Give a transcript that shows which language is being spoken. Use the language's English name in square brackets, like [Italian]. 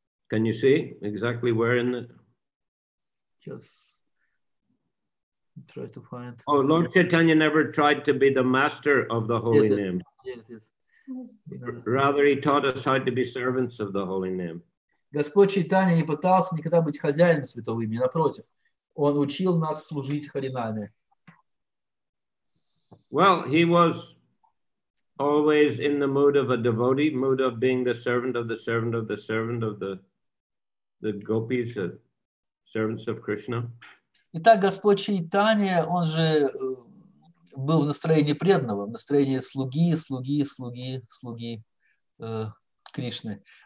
[English] Can you see exactly where in it? Just try to find. Oh, Lord Chaitanya never tried to be the master of the holy name. Yes. Rather, he taught us how to be servants of the holy name. [Russian] Господь Чайтанья не пытался никогда быть хозяином святого имени, напротив. Он учил нас служить Харинаме. [English] Well, he was always in the mood of a devotee, mood of being the servant of the servant of the servant of the gopis, the servants of Krishna. [Russian] Итак, Господь Чайтанья, он же был в настроении преданного, в настроении слуги Кришны.